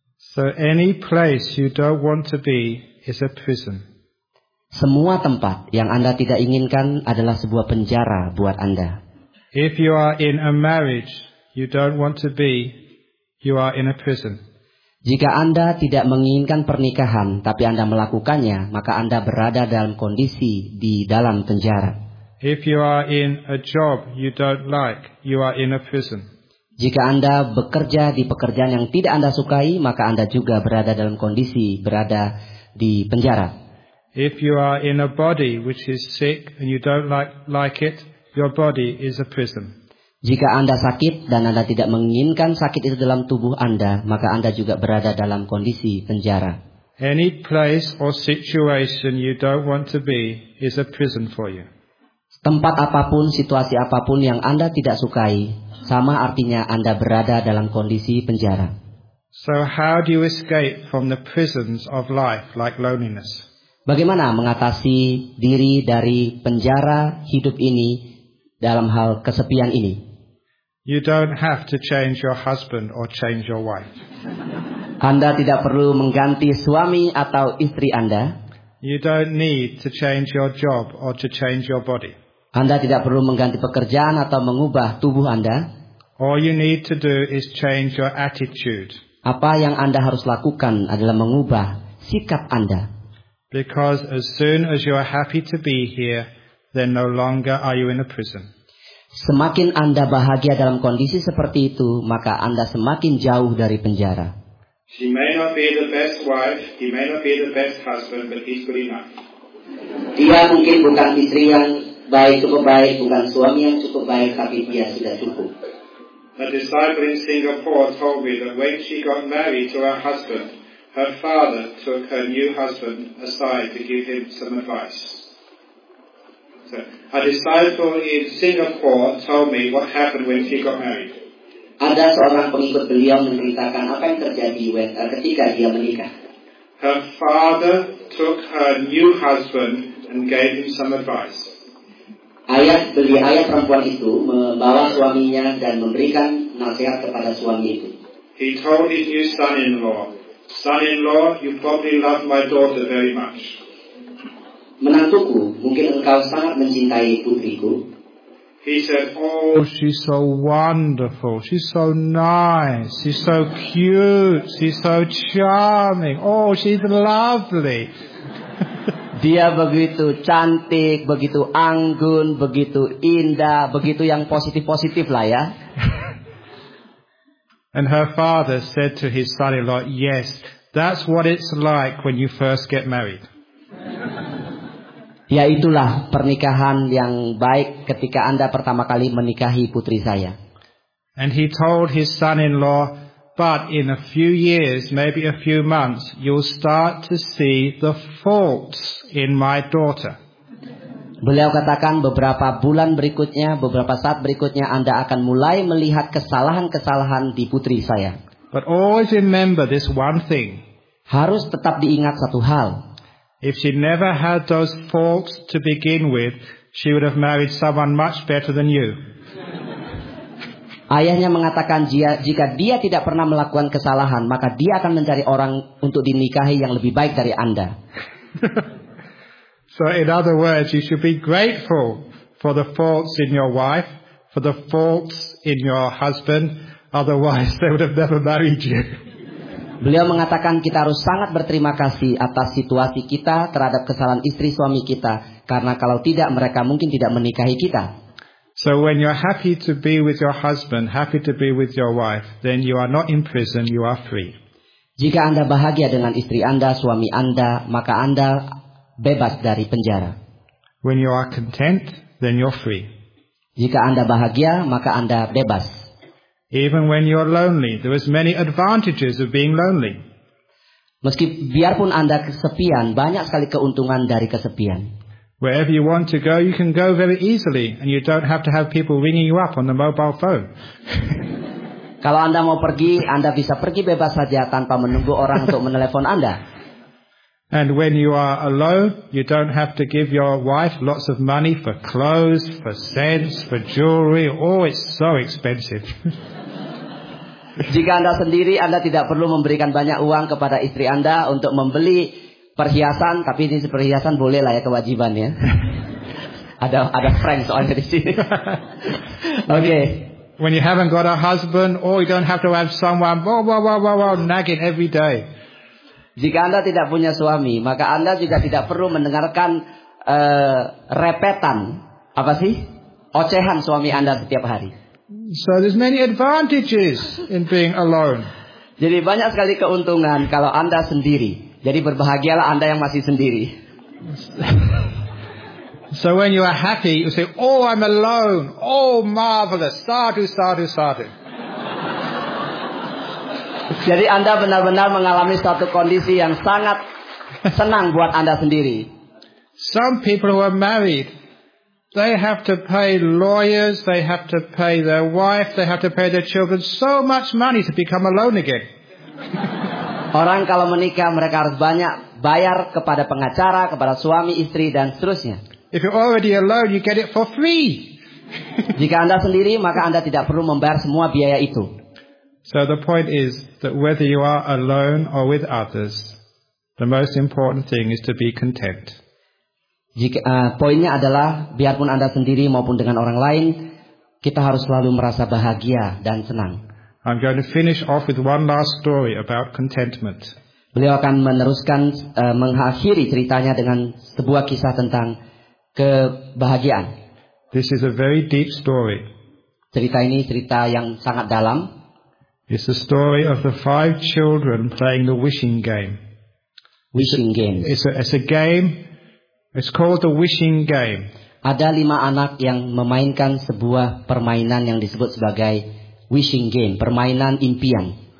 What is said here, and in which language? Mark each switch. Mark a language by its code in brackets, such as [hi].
[en] So any place you don't want to be is a prison. [id] Semua tempat yang Anda tidak inginkan adalah sebuah penjara buat Anda. [en] If you are in a marriage you don't want to be, you are in a prison. [id] Jika Anda tidak menginginkan pernikahan tapi Anda melakukannya, maka Anda berada dalam kondisi di dalam penjara. [en] If you are in a job you don't like, you are in a prison. [id] Jika Anda bekerja di pekerjaan yang tidak Anda sukai, maka Anda juga berada dalam kondisi berada di penjara. [en] If you are in a body which is sick and you don't like it, your body is a prison. [id] Jika Anda sakit dan Anda tidak menginginkan sakit itu dalam tubuh Anda, maka Anda juga berada dalam kondisi penjara. [en] Any place or situation you don't want to be is a prison for you. [id] Tempat apapun, situasi apapun yang Anda tidak sukai, sama artinya Anda berada dalam kondisi penjara. [en] So how do you escape from the prisons of life like loneliness? [id] Bagaimana mengatasi diri dari penjara hidup ini dalam hal kesepian ini? [en] You don't have to change your husband or change your wife. [id] Anda tidak perlu mengganti suami atau istri Anda. [en] You don't need to change your job or to change your body. [id] Anda tidak perlu mengganti pekerjaan atau mengubah tubuh Anda. [en] All you need to do is change your attitude. [id] Apa yang Anda harus lakukan adalah mengubah sikap Anda. [en] Because as soon as you are happy to be here, then no longer are you in a prison. [id] Semakin Anda bahagia dalam kondisi seperti itu, maka Anda semakin jauh dari penjara. [en] She may not be the best wife, he may not be the best husband, but he's good enough. [id] Dia mungkin bukan istri yang baik, cukup baik, bukan suami yang cukup baik, tapi dia sudah cukup. [en] A disciple in Singapore told me that when she got married to her husband, her father took her new husband aside to give him some advice. So, a disciple in Singapore told me what happened when she got married. [id] Ada seorang pengikut beliau menceritakan apa yang terjadi ketika dia menikah. [en] Her father took her new husband and gave him some advice. [id] Ayah perempuan itu membawa suaminya dan memberikan nasihat kepada suami itu. [en] He told his new son-in-law, "Son-in-law, you probably love my daughter very much." [id] Menantuku, mungkin engkau sangat mencintai putriku. [en] He said, "Oh, she's so wonderful. She's so nice. She's so cute. She's so charming. Oh, she's lovely." [id] Dia begitu cantik, begitu anggun, begitu indah, begitu yang positif-positif lah ya. [en] And her father said to his son-in-law, "Yes, that's what it's like when you first get married." [id] Ya, itulah pernikahan yang baik ketika Anda pertama kali menikahi putri saya. [en] And he told his son-in-law, "But in a few years, maybe a few months, you'll start to see the faults in my daughter." [id] Beliau katakan beberapa bulan berikutnya, beberapa saat berikutnya, Anda akan mulai melihat kesalahan-kesalahan di putri saya. [en] But always remember this one thing. [id] Harus tetap diingat satu hal. [en] If she never had those faults to begin with, she would have married someone much better than you. [id] Ayahnya mengatakan jika dia tidak pernah melakukan kesalahan, maka dia akan mencari orang untuk dinikahi yang lebih baik dari Anda. [en] So in other words, you should be grateful for the faults in your wife, for the faults in your husband, otherwise they would have never married you. [id] Beliau mengatakan kita harus sangat berterima kasih atas situasi kita terhadap kesalahan istri suami kita, karena kalau tidak mereka mungkin tidak menikahi kita. [en] So when you're happy to be with your husband, happy to be with your wife, then you are not in prison, you are free. [id] Jika Anda bahagia dengan istri Anda, suami Anda, maka Anda bebas dari penjara. [en] When you are content, then you're free. [id] Jika Anda bahagia, maka Anda bebas. [en] Even when you're lonely, there is many advantages of being lonely. [id] Biarpun Anda kesepian, banyak sekali keuntungan dari kesepian. [en] Wherever you want to go, you can go very easily, and you don't have to have people ringing you up on the mobile phone. [id] Kalau Anda mau pergi, Anda bisa pergi bebas saja tanpa menunggu orang untuk menelepon Anda. [en] And when you are alone, you don't have to give your wife lots of money for clothes, for scents, for jewelry. Oh, it's so expensive. [id] Jika Anda sendiri, Anda tidak perlu memberikan banyak uang kepada istri Anda untuk membeli perhiasan, tapi ini perhiasan boleh lah ya, kewajiban ya. Ada friend soalnya di sini. Okay. [en] When you haven't got a husband, or you don't have to have someone, wow, nagging every day. [id] Jika Anda tidak punya suami, maka Anda juga tidak perlu mendengarkan repetan, apa sih, ocehan suami Anda setiap hari. [en] So there's many advantages in being alone. [id] Jadi banyak sekali keuntungan kalau Anda sendiri. Jadi berbahagialah Anda yang masih sendiri. [en] So when you are happy, you say, "Oh, I'm alone. Oh, marvelous. Sadu, sadu, sadu." [id] Jadi Anda benar-benar mengalami satu kondisi yang sangat senang buat Anda sendiri. [en] Some people who are married, they have to pay lawyers, they have to pay their wife, they have to pay their children so much money to become alone again. [id] Orang kalau menikah, mereka harus banyak bayar kepada pengacara, kepada suami, istri, dan seterusnya. [en] If you're already alone, you get it for free. [id] Jika Anda sendiri, maka Anda tidak perlu membayar semua biaya itu. [en] So the point is that whether you are alone or with others, the most important thing is to be content. [id] Poinnya adalah, biarpun Anda sendiri maupun dengan orang lain, kita harus selalu merasa bahagia dan senang. [en] I'm going to finish off with one last story about contentment. [id] Beliau akan meneruskan, mengakhiri ceritanya dengan sebuah kisah tentang kebahagiaan. [en] This is a very deep story. [id] Cerita ini cerita yang sangat dalam. [en] It's the story of the five children playing the wishing game. Wishing game. It's a game. It's called the wishing game. [id] Ada lima anak yang memainkan sebuah permainan yang disebut sebagai wishing game, permainan impian.